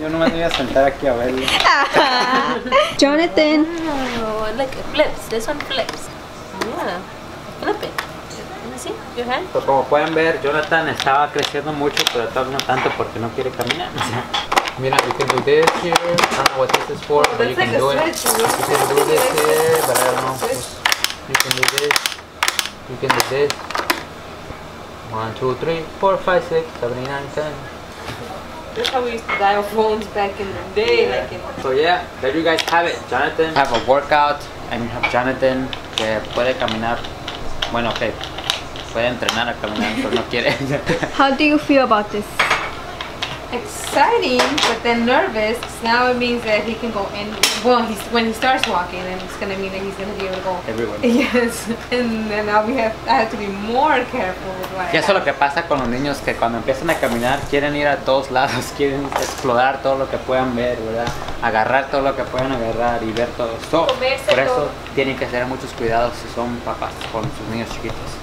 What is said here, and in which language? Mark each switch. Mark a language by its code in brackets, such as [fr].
[es] Yo no me voy a sentar aquí a verlo. Jonathan. [en] Oh, like it flips. This one flips. Yeah. Flip it. Sí, [es] pues como pueden ver, Jonathan estaba creciendo mucho, pero todavía no tanto porque no quiere caminar. [en] Mira, you can do this here. I don't know what this is for, but you can do it. You can do this here, but I don't know. You can do this. You can do this. 1, 2, 3, 4, 5, 6, 7, 8, 9, 10. That's how we used to dial phones back in the day. Yeah. Like in so yeah, there you guys have it. Jonathan have a workout, and you have Jonathan [es] que puede caminar. Bueno, [en] okay. [es] Puede entrenar a caminar, pero no quiere. [en] How do you feel about this? Exciting, but then nervous. Now it means that he can go in. Well, he's, when he starts walking, then it's gonna mean that he's gonna be able to go everywhere. Yes, and then now I have to be more careful with what. [es] Ya eso lo que pasa con los niños que cuando empiezan a caminar quieren ir a todos lados, quieren explorar todo lo que puedan ver, verdad? Agarrar todo lo que puedan agarrar y ver todo. So, por eso tienen que tener muchos cuidados si son papás con sus niños chiquitos.